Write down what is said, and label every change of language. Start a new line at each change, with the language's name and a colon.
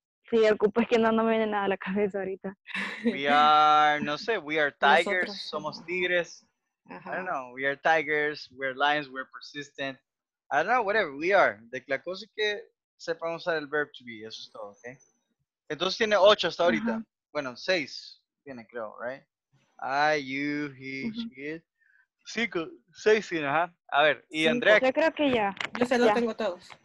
Spanish: Si el cupo es que no me viene nada a la cabeza ahorita.
English: We are,
Spanish: no sé,
English: we are tigers,
Spanish: nosotros. Somos tigres.
English: Ajá. I don't know, we are tigers, we're lions, we're persistent. I don't know, whatever, we are.
Spanish: De la cosa es que sepan usar el
English: verb to be,
Spanish: eso es todo, ok. Entonces tiene 8 hasta ahorita. Uh-huh. Bueno, 6 tiene, creo,
English: right? I, you, he, uh-huh. She, it. 5, 6
Spanish: tiene,
English: ajá. Uh-huh.
Spanish: A ver, y
English: Andrea.
Spanish: Yo creo que ya. Yo se los tengo todos.